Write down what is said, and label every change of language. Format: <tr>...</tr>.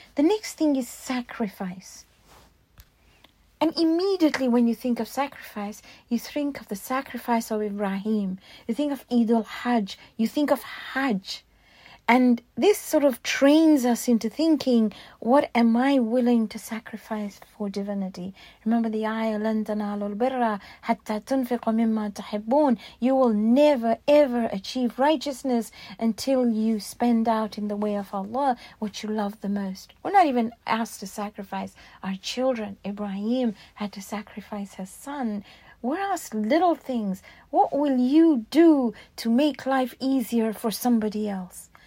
<en>The next thing is sacrifice. And immediately when you think of sacrifice, you think of the sacrifice of Ibrahim. You think of Eid al-Hajj. You think of Hajj. And this sort of trains us into thinking, what am I willing to sacrifice for divinity? Remember the ayah,</en> <ar>لَن تَنَالُوا الْبِرَّ حَتَّى تُنْفِقُوا مِمَّا تَحِبُّونَ.</ar> <en>You will never ever achieve righteousness until you spend out in the way of Allah what you love the most. We're not even asked to sacrifice our children. Ibrahim had to sacrifice his son. We're asked little things. What will you do to make life easier for somebody else?</en>